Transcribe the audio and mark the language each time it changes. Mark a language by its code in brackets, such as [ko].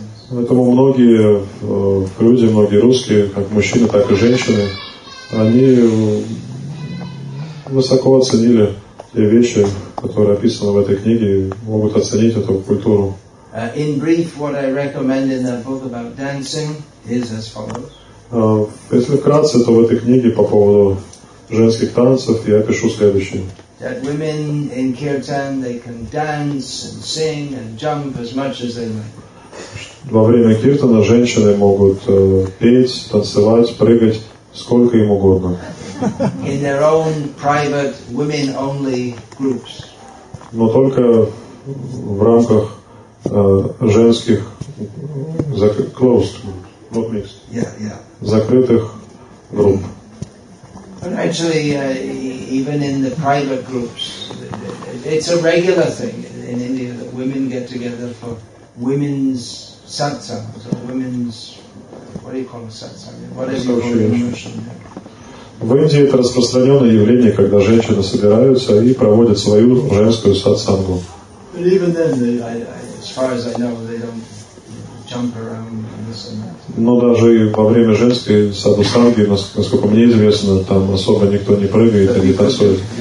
[ru] Поэтому многие люди, многие русские, как мужчины, так и женщины, они высоко оценили те вещи, которые описаны в этой книге, и могут оценить эту культуру. [en] In brief, what I recommend in that book about dancing is as follows. [ru] Если вкратце, то в этой книге по поводу женских танцев я пишу следующее. [en] That women in Kirtan, they can dance and sing and jump as much as they like. [ru] Во время киртана женщины могут петь, танцевать, прыгать сколько им угодно. [en] In their own private women-only groups. [ru] Но только в рамках женских [en] closed groups, not mixed. Yeah. [ru] Закрытых групп. [en] But actually, even in the private groups, it's a regular thing in India that women get together for women's satsang, so women's, what do you call a satsang? What is your emotion? [ru] В Индии это распространенное явление, когда женщины собираются и проводят свою женскую сатсангу. [en] But even then, as far as I know, they don't jump around. [ru] Но даже во время женской садусанги, насколько мне известно, там особо никто не прыгает и не танцует.